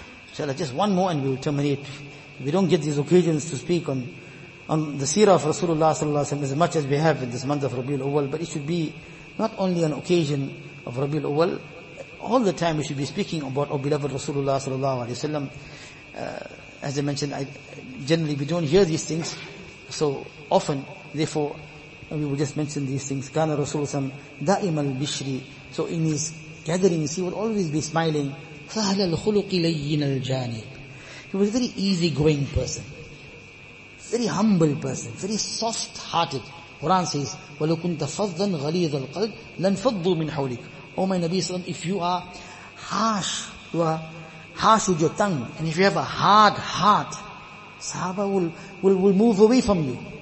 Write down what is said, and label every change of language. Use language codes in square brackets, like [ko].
[en] Inshallah, just one more and we will terminate. We don't get these occasions to speak on the seerah of Rasulullah sallallahu alayhi wa sallam as much as we have in this month of Rabiul Awwal, but it should be not only an occasion of Rabiul Awwal, all the time we should be speaking about our beloved Rasulullah sallallahu alayhi wa sallam. As I mentioned, generally we don't hear these things so often. Therefore, And we will just mention these things. [ar] كان رسول صلى الله عليه وسلم دائما البشري. [en] So in his gatherings, he would always be smiling. [ar] فهل الخلق لين الجاني. [en] He was a very easygoing person. Very humble person. Very soft-hearted. Quran says, [ar] وَلَكُنْتَ فَضًّا غَلِيظَ الْقَلْبِ لَنْفَضُّوا مِنْ حَوْلِكَ. [en] Oh my Nabi Sallam, if you are harsh, you are harsh with your tongue, and if you have a hard heart, Sahaba will move away from you.